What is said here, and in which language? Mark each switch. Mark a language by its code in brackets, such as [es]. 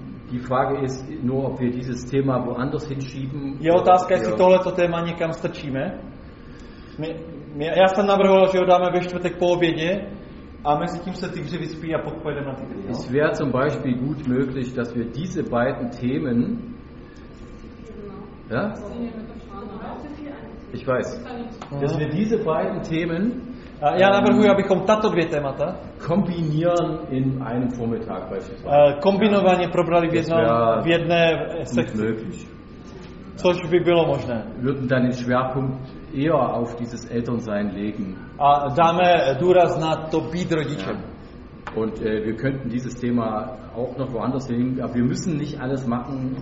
[de] Die Frage ist nur, ob wir dieses Thema woanders hinschieben. [cs] Je otázka, jestli tohleto téma někam strčíme. Já jsem navrhoval, že ho dáme ve čtvrtek po obědě. A mezi tím se tygři vyspí a pojedeme na tygry. [de] Es wäre zum Beispiel gut möglich, dass wir diese beiden Themen. Ja? Ich weiß. Dass wir diese beiden Themen kombinieren in einem Vormittag beispielsweise. [cs] Kombinovaně probrali v jedné sekci. [de] Möglich. [cs] Což by bylo možné. [de] Würden dann den Schwerpunkt eher auf dieses Elternsein legen. [cs] A dáme důraz na to být rodičem. [de] Ja. Und wir könnten dieses Thema auch noch woanders nehmen, aber wir müssen nicht alles machen.